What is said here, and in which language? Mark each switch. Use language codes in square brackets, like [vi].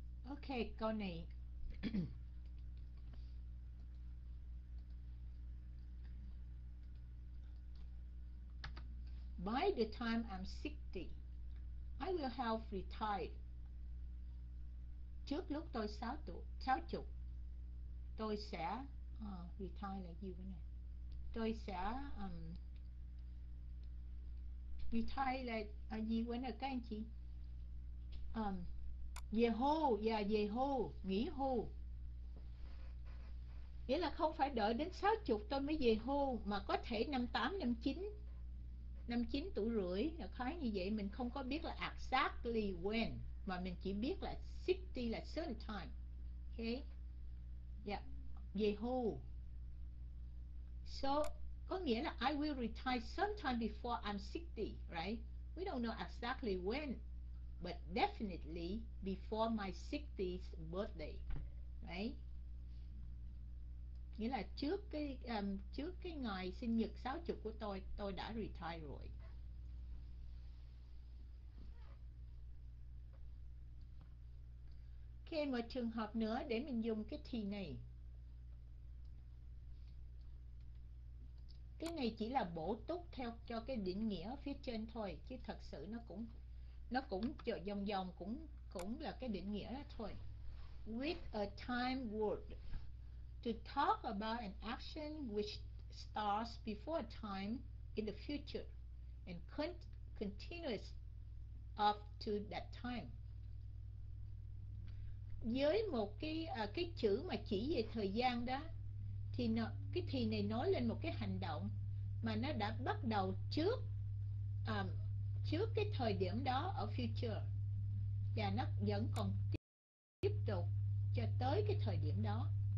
[vi] Okay, câu này. [en] By the time I'm 60, I will have retired. [vi] Trước lúc tôi 60, tôi sẽ retire là gì vậy này? Tôi sẽ retire là gì vậy này các anh chị? Về hưu, già về hưu, nghỉ hưu. Nghĩa là không phải đợi đến 60 tôi mới về hưu, mà có thể 58, 59. 59 tuổi rưỡi là khái như vậy. Mình không có biết là [en] exactly when, [vi] mà mình chỉ biết là 60 là [en] certain time. Ok. [vi] Dạ. Về hưu. [en] So [vi] có nghĩa là [en] I will retire sometime before I'm 60, right? We don't know exactly when, but definitely before my 60th birthday, right? [vi] Nghĩa là trước cái ngày sinh nhật 60 của tôi đã retire rồi. Ok, một trường hợp nữa để mình dùng cái thì này. Cái này chỉ là bổ túc theo cho cái định nghĩa phía trên thôi, chứ thật sự nó cũng dòng dòng cũng cũng là cái định nghĩa đó thôi. [en] With a time word. To talk about an action which starts before a time in the future and continues up to that time. [vi] Với một cái chữ mà chỉ về thời gian đó, thì cái thì này nói lên một cái hành động mà nó đã bắt đầu trước trước cái thời điểm đó ở future, và nó vẫn còn tiếp tục cho tới cái thời điểm đó.